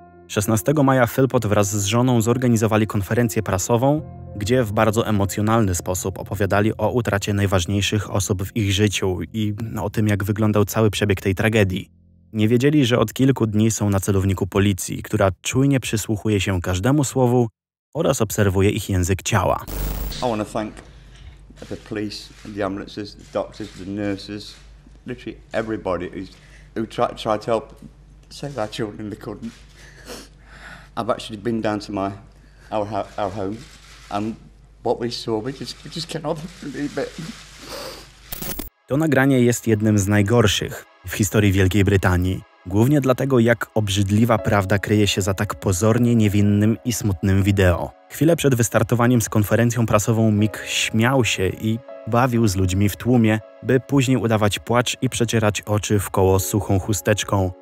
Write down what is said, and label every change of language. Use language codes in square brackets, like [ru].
[pl] 16 maja Philpott wraz z żoną zorganizowali konferencję prasową, gdzie w bardzo emocjonalny sposób opowiadali o utracie najważniejszych osób w ich życiu i o tym, jak wyglądał cały przebieg tej tragedii. Nie wiedzieli, że od kilku dni są na celowniku policji, która czujnie przysłuchuje się każdemu słowu oraz obserwuje ich język ciała. [en] I want to thank the police, the ambulances, the doctors, the nurses, literally everybody who tried to help save our children, they couldn't. I've actually been down to our home, and what we saw, we just cannot believe it. [pl] To nagranie jest jednym z najgorszych w historii Wielkiej Brytanii. Głównie dlatego, jak obrzydliwa prawda kryje się za tak pozornie niewinnym i smutnym wideo. Chwilę przed wystartowaniem z konferencją prasową Mick śmiał się i bawił z ludźmi w tłumie, by później udawać płacz i przecierać oczy w koło suchą chusteczką.